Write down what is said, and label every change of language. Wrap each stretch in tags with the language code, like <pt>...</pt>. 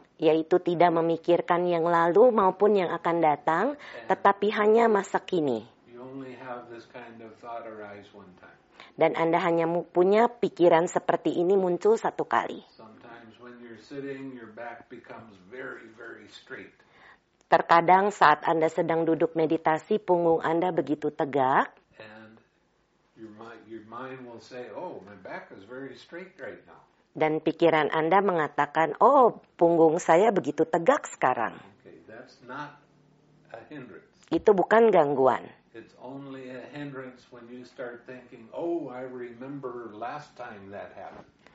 <id>Yaitu tidak memikirkan yang lalu maupun yang akan datang, tetapi hanya masa kini.</id> <en>You only have have this kind of thought arise one time.</en> <id>Dan Anda hanya punya pikiran seperti ini muncul satu kali.</id> <en>Sometimes when you're sitting, your back becomes very, very straight.</en> <id>Terkadang saat Anda sedang duduk meditasi, punggung Anda begitu tegak.</id> <en>And your mind will say, oh, my back is very straight right now.</en> <id>Dan pikiran Anda mengatakan, oh, punggung saya begitu tegak sekarang.</id> <en>Okay, that's not a hindrance.</en> <id>Itu bukan gangguan.</id> <en>It's only a hindrance when you start thinking, oh, I remember last time that happened.</en>